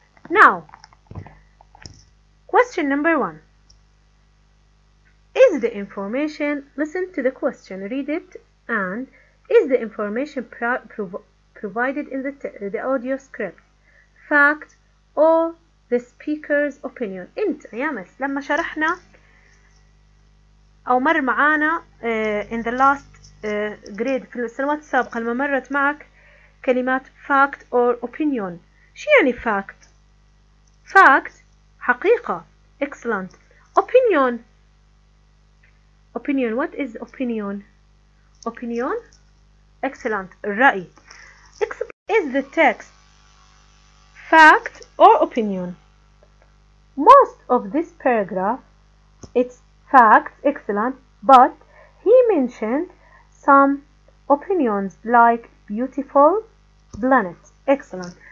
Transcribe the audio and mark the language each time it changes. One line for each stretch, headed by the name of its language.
English: Now, question number 1. Is the information, listen to the question, read it, and is the information provided in the audio script fact or the speaker's opinion?
Arabic: انت يا مس لما شرحنا او مر معانا
English: in the last grade
Arabic: في السنوات السابقه لما مرت معك كلمات
English: fact or opinion.
Arabic: شو يعني fact؟ fact حقيقه.
English: excellent. opinion. opinion. what is opinion؟ opinion. excellent. الرأي. Is the text fact or opinion? Most of this paragraph, it's facts, excellent, but he mentioned some opinions like beautiful planet, excellent.